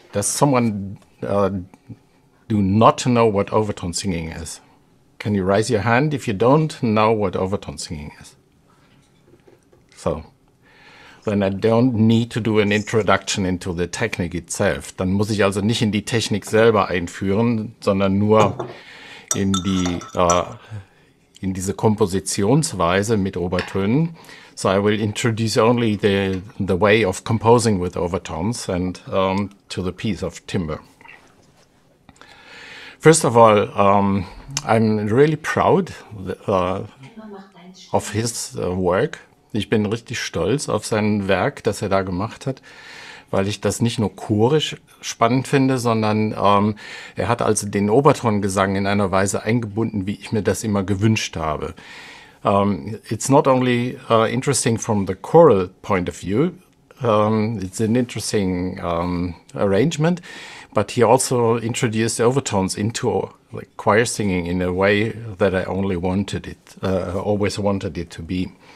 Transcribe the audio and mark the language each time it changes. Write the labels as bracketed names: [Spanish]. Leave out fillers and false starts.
[English] Does someone do not know what overtone singing is? Can you raise your hand if you don't know what overtone singing is? So, then I don't need to do an introduction into the technique itself. [German] Dann muss ich also nicht in die Technik selber einführen, sondern nur in die in diese Kompositionsweise mit Obertönen. [English] So I will introduce only the way of composing with overtones and to the piece of timbre. First of all, I'm really proud of his work. [German] Ich bin richtig stolz auf sein Werk, das er da gemacht hat, weil ich das nicht nur chorisch spannend finde, sondern er hat also den Obertongesang in einer Weise eingebunden, wie ich mir das immer gewünscht habe. [English] It's not only interesting from the choral point of view, it's an interesting arrangement, but he also introduced overtones into like, choir singing in a way that I only wanted it, always wanted it to be.